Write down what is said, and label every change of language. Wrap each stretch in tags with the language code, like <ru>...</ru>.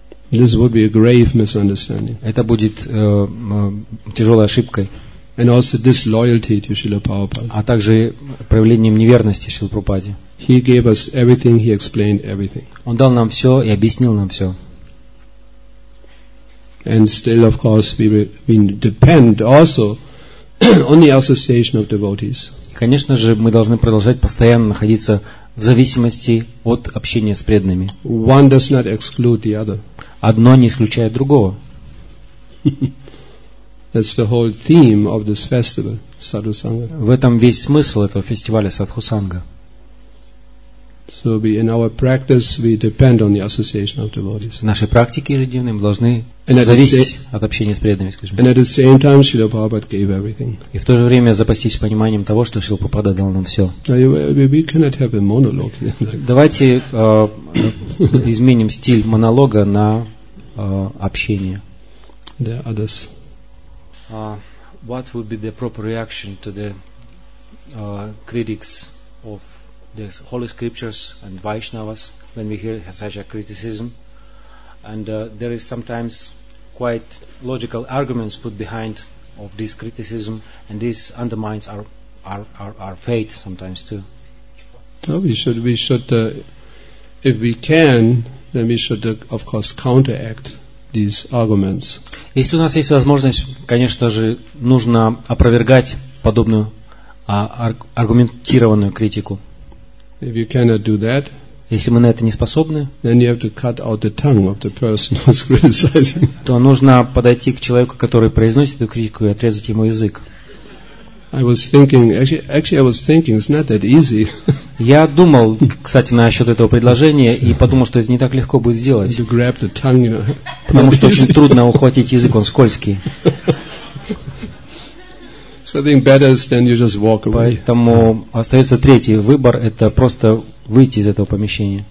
<en>This would be a grave misunderstanding.</en> <ru>Это будет тяжелой ошибкой.</ru> <en>And also disloyalty to Srila Prabhupada.</en> <ru>А также проявлением неверности Шрилы Прабхупаде.</ru> <en>He gave us everything, he explained everything.</en> <ru>Он дал нам все и объяснил нам все.</ru> <en>And still, of course, we depend also on the association of devotees.</en> <ru>Конечно же, мы должны продолжать постоянно находиться в зависимости от общения с преданными.</ru> <en>One does not exclude the other.</en> <ru>Одно не исключает другого.</ru> <en>That's the whole theme of this festival, Sadhu Sangha.</en> <ru>В этом весь смысл этого фестиваля Садху Санга.</ru> <en>So we, in our practice, we depend on the association of devotees.</en> <ru>В нашей практике ежедневной мы должны зависеть от общения с преданными, скажем.</ru> <en>And at the same time, Srila Prabhupada gave everything.</en> <ru>И в то же время запастись пониманием того, что Шрила Прабхупада дал нам все.</ru> <en>We cannot have a monologue.</en> <ru>Давайте изменим стиль монолога на общение.</ru> <en>The others. What would be the proper reaction to the critics of the holy scriptures and Vaishnavas when we hear such a criticism? And there is sometimes quite logical arguments put behind of this criticism, and this undermines our faith sometimes too. Well, we should if we can, then we should of course counteract these arguments.</en> <ru>Если у нас есть возможность, конечно же, нужно опровергать подобную аргументированную критику.</ru> <en>If you cannot do that,</en> <ru>если мы на это не способны,</ru> <en>then you have to cut out the tongue of the person who's criticizing.</en> <ru>То нужно подойти к человеку, который произносит эту критику, и отрезать ему язык.</ru> <en>I was thinking, actually I was thinking, it's not that easy.</en> <ru>Я думал, кстати, насчет этого предложения, и подумал, что это не так легко будет сделать.</ru> <en>To grab the tongue, you know,</en> <ru>потому что очень трудно ухватить язык, он скользкий.</ru> <en>Something better is then you just walk away.</en> <ru>Поэтому остается третий выбор, это просто выйти из этого помещения.</ru>